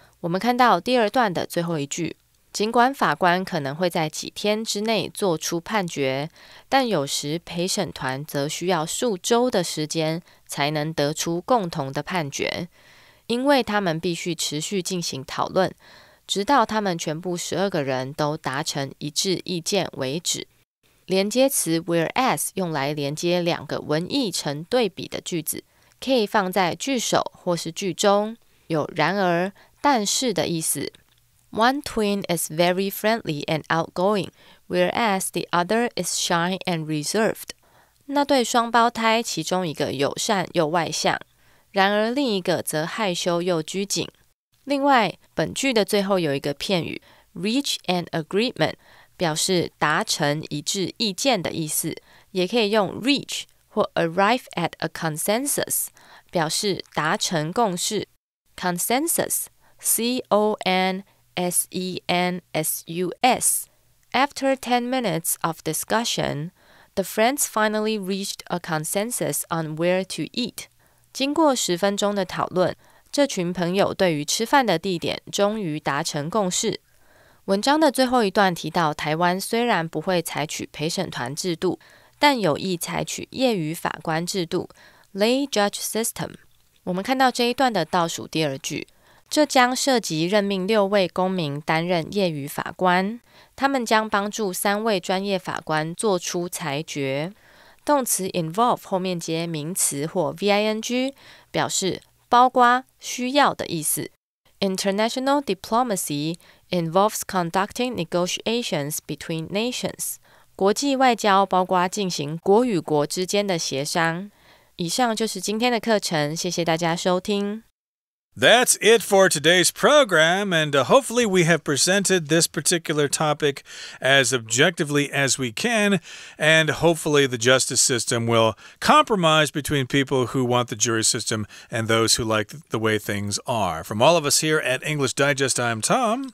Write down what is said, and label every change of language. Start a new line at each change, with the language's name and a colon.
Chinese: 我们看到第二段的最后一句，尽管法官可能会在几天之内做出判决，但有时陪审团则需要数周的时间才能得出共同的判决，因为他们必须持续进行讨论，直到他们全部12个人都达成一致意见为止。连接词 whereas 用来连接两个文意成对比的句子，可以放在句首或是句中，有然而、但是的意思。
English: One twin is very friendly and outgoing, whereas the other is shy and reserved.
Chinese: 那对双胞胎其中一个友善又外向，然而另一个则害羞又拘谨。另外，本句的最后有一个片语
English: reach an agreement,
Chinese: 表示达成一致意见的意思，也可以用 reach 或
English: arrive at a consensus,
Chinese: 表示达成共识。
English: Consensus, C-O-N-S-E-N-S-U-S. After 10 minutes of discussion, the friends finally reached a consensus on where to eat.
Chinese: 经过十分钟的讨论，这群朋友对于吃饭的地点终于达成共识。文章的最后一段提到，台湾虽然不会采取陪审团制度，但有意采取业余法官制度 Lay Judge System. 我们看到这一段的倒数第二句，这将涉及任命六位公民担任业余法官，他们将帮助三位专业法官做出裁决。动词 involve 后面接名词或 ving， 表示包括、需要的意思。
English: International diplomacy involves conducting negotiations between nations.
Chinese: 国际外交包括进行国与国之间的协商。以上就是今天的课程，谢谢大家收听。
English: That's it for today's program, and hopefully we have presented this particular topic as objectively as we can, and hopefully the justice system will compromise between people who want the jury system and those who like the way things are. From all of us here at English Digest, I'm Tom.